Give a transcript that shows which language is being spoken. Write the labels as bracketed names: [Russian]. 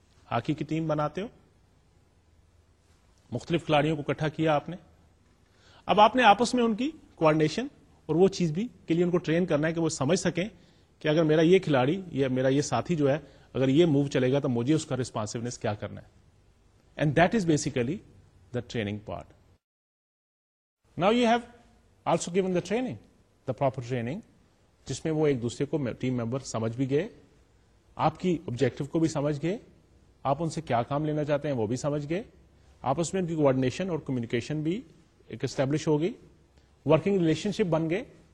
[Urdu] Hockey کی team بناتے ہو, مختلف کھلاڑیوں کو اکٹھا کیا آپ نے, اب آپ نے آپس میں ان کی کوآرڈینیشن اور وہ چیز بھی کے لیے ان کو ٹرین کرنا ہے کہ وہ سمجھ سکیں کہ اگر میرا یہ کھلاڑی یا میرا یہ ساتھی جو ہے اگر یہ موو چلے گا تو مجھے اس کا ریسپانسونیس کیا کرنا ہے. [English] And that is basically the training part. Now you have also given the training, the proper training, [Urdu] جس میں وہ ایک دوسرے کو ٹیم ممبر سمجھ بھی گئے, آپ کی آبجیکٹو کو بھی سمجھ گئے, آپ ان سے کیا کام لینا چاہتے ہیں وہ بھی سمجھ گئے, آپس میں ان کی کوآرڈینیشن اور کمیونیکیشن بھی ایک اسٹیبلش ہو گئی, ورکنگ ریلیشن شپ بن گئے.